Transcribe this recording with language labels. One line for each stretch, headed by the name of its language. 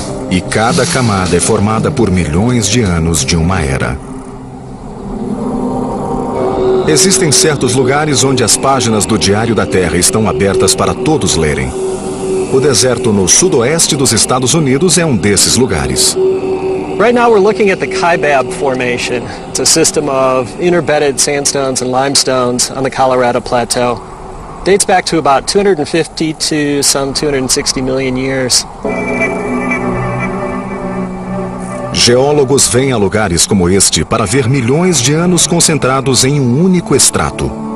Portuguese: E cada camada é formada por milhões de anos de uma era. Existem certos lugares onde as páginas do Diário da Terra estão abertas para todos lerem. O deserto no sudoeste dos Estados Unidos é um desses lugares.
English: Right now we're looking at the Kaibab Formation. It's a system of interbedded sandstones and limestones on the Colorado Plateau. Dates back to about 250 to some 260 million years.
Portuguese: Geólogos vêm a lugares como este para ver milhões de anos concentrados em um único estrato.